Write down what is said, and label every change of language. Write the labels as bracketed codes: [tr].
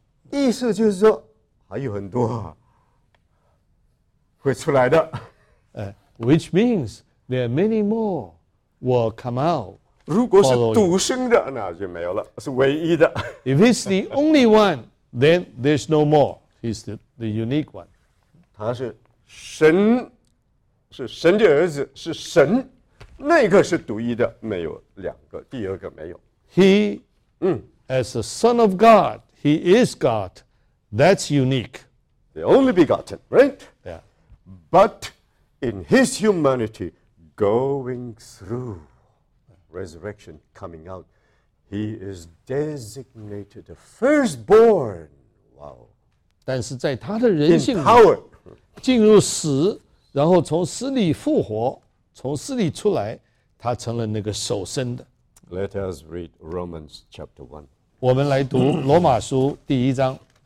[zh] 意思就是说，还有很多会出来的。 [en] Which means there are many more will come out. 如果是独生的，那就没有了，是唯一的。 If he's the only one, then there's no more. He's the unique one. [zh] 他是神，是神的儿子，是神，那个是独一的，没有两个，第二个没有。 [en] He, as the Son of God. He is God. That's unique. The only begotten, right? Yeah. But in his humanity, going through resurrection, coming out, he is designated the firstborn. Wow. [zh] 但是在他的人性里 [en] in power, [zh] 进入死，然后从死里复活，从死里出来，他成了那个首生的。 [en] Let us read Romans chapter 1. [zh] 我们来读罗马书第一章。